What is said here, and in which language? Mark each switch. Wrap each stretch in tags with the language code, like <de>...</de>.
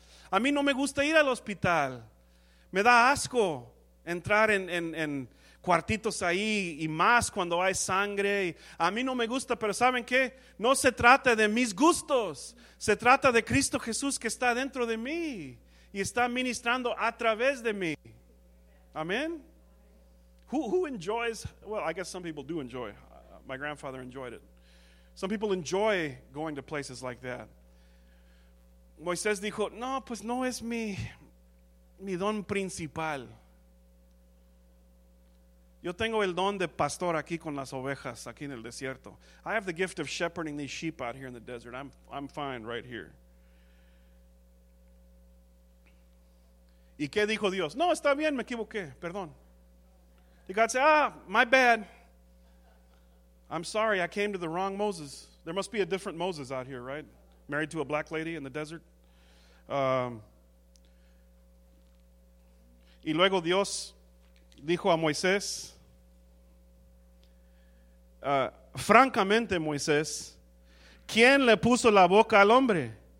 <es>A mí no me gusta ir al hospital. Me da asco entrar en cuartitos ahí y más cuando hay sangre. A mí no me gusta, pero ¿saben qué? No se trata de mis gustos. Se trata de Cristo Jesús que está dentro de mí y está ministrando a través de mí. Amén.</es> <en>Who enjoys, well, I guess some people do enjoy. My grandfather enjoyed it. Some people enjoy going to places like that.</en> <es>Moisés dijo, no, pues no es mi don principal. Yo tengo el don de pastor aquí con las ovejas, aquí en el desierto.</es> <en>I have the gift of shepherding these sheep out here in the desert. I'm fine right here.</en> <es>¿Y qué dijo Dios? No, está bien, me equivoqué, perdón.</es> <en>The God said, ah, my bad. I'm sorry, I came to the wrong Moses. There must be a different Moses out here, right? Married to a black lady in the desert.</en> <es>Y luego Dios dijo a Moisés, francamente, Moisés, ¿quién le puso la boca al hombre?</es>